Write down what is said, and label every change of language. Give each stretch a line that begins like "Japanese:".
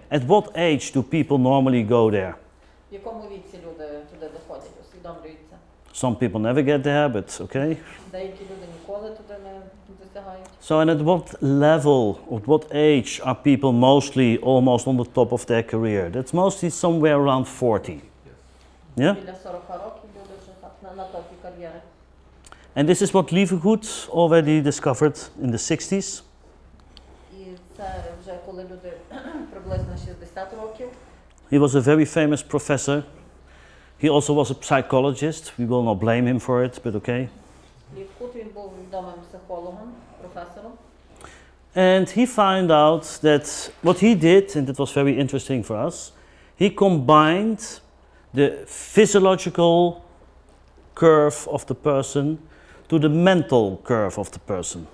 English: At what age do people normally go there?
Ukrainian: В якому віці люди туди доходять, усвідомлюються?
English: Some people never get there, but okay.
Ukrainian: Деякі люди ніколи туди не досягають.
English: So and at what level, at what age are people mostly almost on the top of their career? That's mostly somewhere around 40. Yes. Yeah?
Ukrainian: Біля 40 років люди вже на топі кар'єри.
English: And this is what Levergood already discovered in the 60s.
Ukrainian: І це вже коли люди приблизно 60 років.
English: He was a very famous professor. He also was a psychologist. We will not blame him for it, but okay.
Ukrainian: Левкут, він був відомим психологом, професором.
English: And he found out that what he did, and it was very interesting for us, he combined the physiological curve of the person to the mental curve of the person.